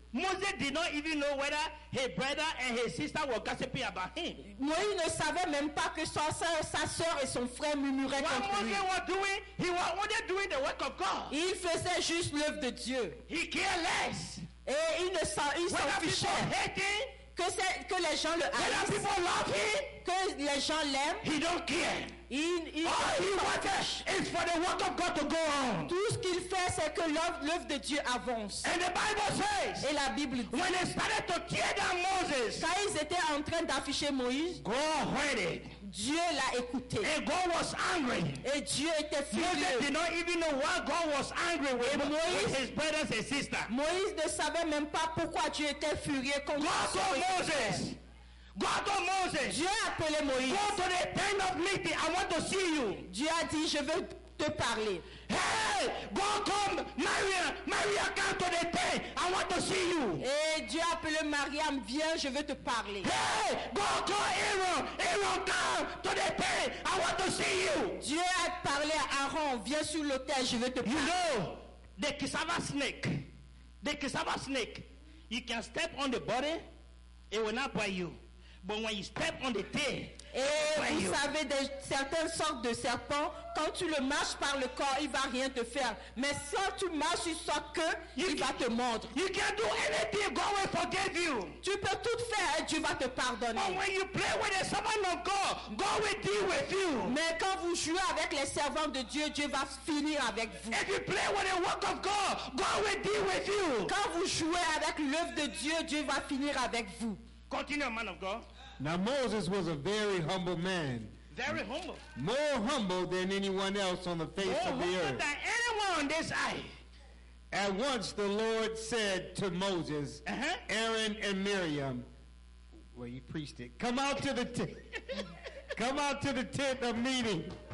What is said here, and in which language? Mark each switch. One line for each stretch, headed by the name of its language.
English: Moses did not even know whether his brother and his sister were gossiping about him.
French: Moïse ne savait même pas que sa sœur et son frère murmuraient contre lui.
English: What Moses was doing, he was only doing the work of God.
French: Il faisait juste l'œuvre de Dieu.
English: He cared less.
French: Et il ne s'en fichait.
English: Whether people hate him,
French: que les gens le haïssent.
English: Whether people love him,
French: que les gens l'aiment.
English: He don't care. All he wants is for the work of God to go on.
French: Tout ce qu'il fait, c'est que l'œuvre de Dieu avance.
English: And the Bible says,
French: et la Bible dit,
English: when they started to tear down Moses,
French: quand ils étaient en train d'afficher Moïse,
English: God heard it.
French: Dieu l'a écouté.
English: And God was angry.
French: Et Dieu était furieux.
English: Moses did not even know why God was angry with his brothers and sisters.
French: Moïse ne savait même pas pourquoi Dieu était furieux contre
English: God told Moses. God told Moses.
French: Dieu a appelé Moïse.
English: Go to the tent of meeting. I want to see you.
French: Dieu a dit, je veux te parler.
English: Hey, go come, Maria. Maria, come to the tent. I want to see you.
French: Et Dieu a appelé Mariam, viens, je veux te parler.
English: Hey, go come, Aaron. Aaron, come to the tent. I want to see you.
French: Dieu a parlé à Aaron, viens sur l'autel, je veux te parler.
English: You know, the cassava snake. The cassava snake. You can step on the body, it will not bite you. But when you step on the tail,
French: et vous savez, certaines sortes de serpents, quand tu le marches par le corps, il va rien te faire. Mais si tu marches sur sa queue, il va te mordre.
English: You can do anything, God will forgive you.
French: Tu peux tout faire et Dieu va te pardonner.
English: But when you play with the servant of God, God will deal with you.
French: Mais quand vous jouez avec les servants de Dieu, Dieu va finir avec vous.
English: If you play with the work of God, God will deal with you.
French: Quand vous jouez avec l'œuvre de Dieu, Dieu va finir avec vous.
English: Continue, man of God. Now Moses was a very humble man. Very humble. More humble than anyone else on the face of the earth. More humble than anyone on this earth. At once the Lord said to Moses, Aaron and Miriam, well, you preached it, come out to the come out to the tent of meeting.